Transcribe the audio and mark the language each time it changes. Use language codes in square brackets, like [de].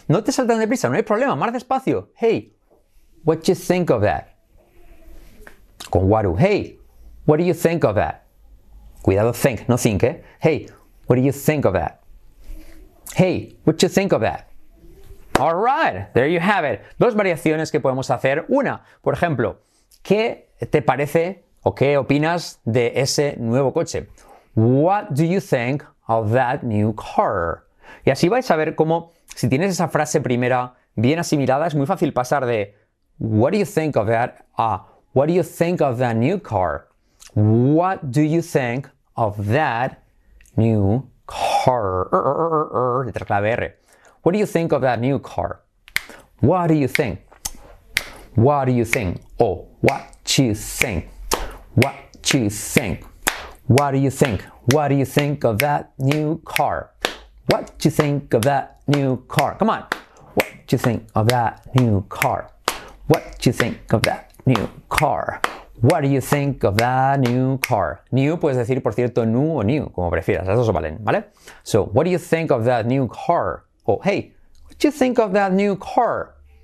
[es] No te saltan deprisa, no hay problema, más despacio. [en] Hey, what do you think of that? Con what do, hey, what do you think of that? [es] Cuidado, think, no think, ¿eh? [en] Hey, what do you think of that? Hey, what do you think of that? All right, there you have it. [es] Dos variaciones que podemos hacer. Una, por ejemplo, ¿qué te parece o qué opinas de ese nuevo coche? [en] What do you think of that new car? [es] Y así vais a ver cómo, si tienes esa frase primera bien asimilada, es muy fácil pasar de [en] what do you think of that [es] a [en] what do you think of that new car? What do you think of that new car? [es] Letra clave R. [en] What do you think of that new car? What do you think? What do you think? Oh, what you think? What you think? What do you think? What do you think of that new car? What you think of that new car? Come on. What you think of that new car? What you think of that new car? What do you think of that new car? [es] New, puedes decir, por cierto, new o new, como prefieras. Las dos valen, ¿vale? [en] So, what do you think of that new car? Oh, hey, what you think of that new car?